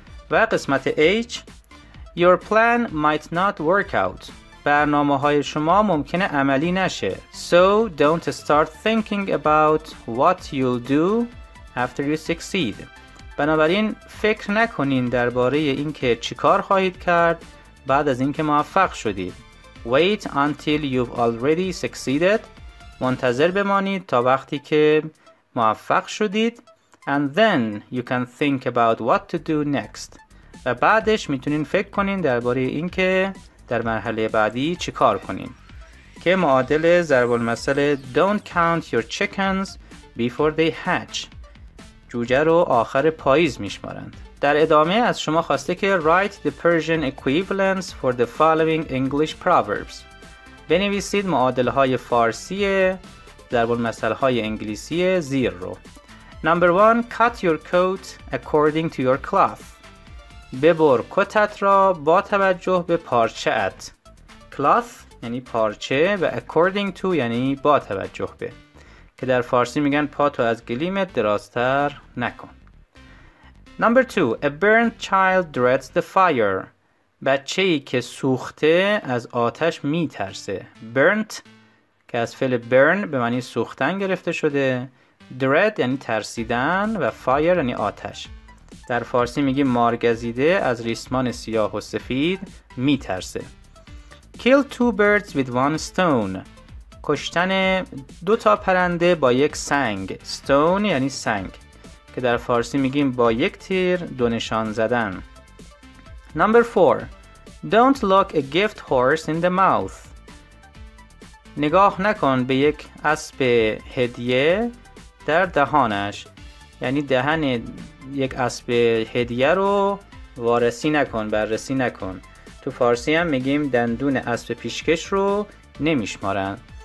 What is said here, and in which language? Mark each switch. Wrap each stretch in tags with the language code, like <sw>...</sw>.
<fa>و قسمت H:</fa> <en>Your plan might not work out،</en> <fa>برنامه های شما ممکنه عملی نشه،</fa> <en>so don't start thinking about what you'll do after you succeed،</en> <fa>بنابراین فکر نکنین درباره اینکه چیکار خواهید کرد بعد از اینکه موفق شدید،</fa> <en>Wait until you've already succeeded.</en> <fa>منتظر بمانید تا وقتی که موفق شدید.</fa> <en>And then you can think about what to do next.</en> <fa>و بعدش میتونین فکر کنین درباره این که در مرحله بعدی چی کار کنین. که معادل ضرب المثل</fa> <en>Don't count your chickens before they hatch.</en> <fa>جوجه رو آخر پاییز میشمارند. در ادامه از شما خواسته که</fa> <en>write the Persian equivalents for the following English proverbs.</en> <fa>بنویسید معادل‌های فارسی ضرب المثل‌های انگلیسی زیر رو.</fa> <en>Number 1, cut your coat according to your cloth.</en> <fa>ببر کتت را با توجه به پارچه ات. Cloth یعنی پارچه و according to یعنی با توجه به. که در فارسی میگن پا تو از گلیمت درازتر نکن.</fa> <en>Number 2. A burnt child dreads the fire.</en> <fa>بچه ای که سوخته از آتش می ترسه. Burnt که از فعل burn به معنی سوختن گرفته شده. Dread یعنی ترسیدن و fire یعنی آتش. در فارسی میگی مارگزیده از ریسمان سیاه و سفید می ترسه.</fa> <en>Kill two birds with one stone.</en> <fa>کشتن دو تا پرنده با یک سنگ. Stone یعنی سنگ. که در فارسی میگیم با یک تیر دو نشان زدن.</fa> <en>Number 4. Don't lock a gift horse in the mouth.</en> <fa>نگاه نکن به یک اسب هدیه در دهانش. یعنی دهن یک اسب هدیه رو وارسی نکن، بررسی نکن. تو فارسی هم میگیم دندون اسب پیشکش رو نمیشمارن.</fa>